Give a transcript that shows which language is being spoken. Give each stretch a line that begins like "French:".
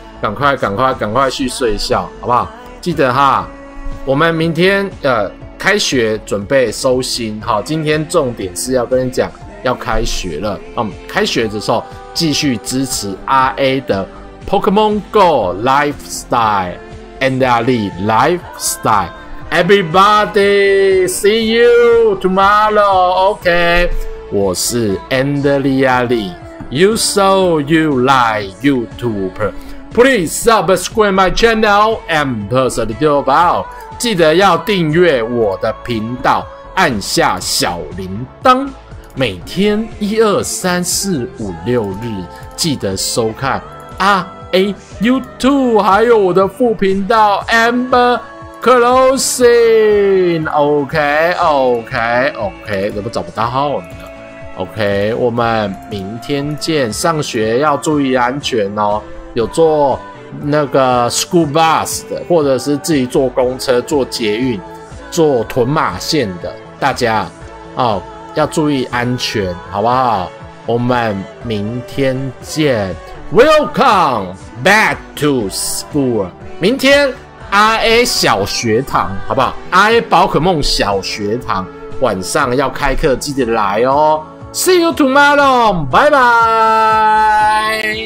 Chinese: 赶快赶快赶快去睡觉，好不好？记得哈，我们明天开学准备收心，好，今天重点是要跟你讲要开学了，嗯，开学的时候继续支持 RA 的 Pokemon Go Lifestyle and Ali Lifestyle。
English: Everybody, see you tomorrow.
Chinese: OK, 我是 Andrea Lee.
English: You show you like YouTuber. Please subscribe my channel and press the little bell.
Chinese: 记得要订阅我的频道，按下小铃铛。每天一二三四五六日，记得收看啊 ！A YouTube 还有我的副频道 Amber。
English: Closing, OK, OK, OK,
Chinese: 怎么找不到号呢？ OK, 我们明天见，上学要注意安全哦。有坐那个 school bus 的，或者是自己坐公车、坐捷运、坐屯马线的，大家哦，要注意安全，好不好？我们明天见。
English: Welcome back to school,
Chinese: 明天 RA 小学堂，好不好 ？RA 宝可梦小学堂晚上要开课，记得来哦。
English: See you tomorrow，
Chinese: 拜拜。